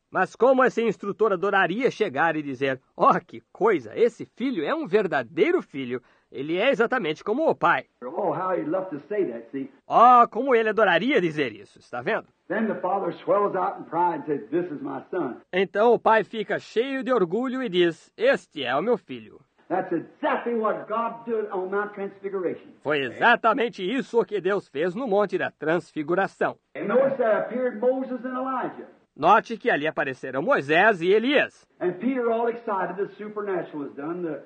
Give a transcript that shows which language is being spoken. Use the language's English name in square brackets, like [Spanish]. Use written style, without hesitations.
[Portuguese] Mas como esse instrutor adoraria chegar e dizer, que coisa, esse filho é um verdadeiro filho. Ele é exatamente como o pai. [English] How he'd love to say that, see? [Portuguese] Como ele adoraria dizer isso, está vendo? [English] Then the father swells out in pride and says, this is my son. [Portuguese] Então o pai fica cheio de orgulho e diz, este é o meu filho. [English] That's exactly what God did on Mount Transfiguration. [Portuguese] Foi exatamente isso que Deus fez no Monte da Transfiguração. [English] And notice that appeared Moses and Elijah. [Portuguese] Note que ali apareceram Moisés e Elias. [English] And Peter all excited, the supernatural was done.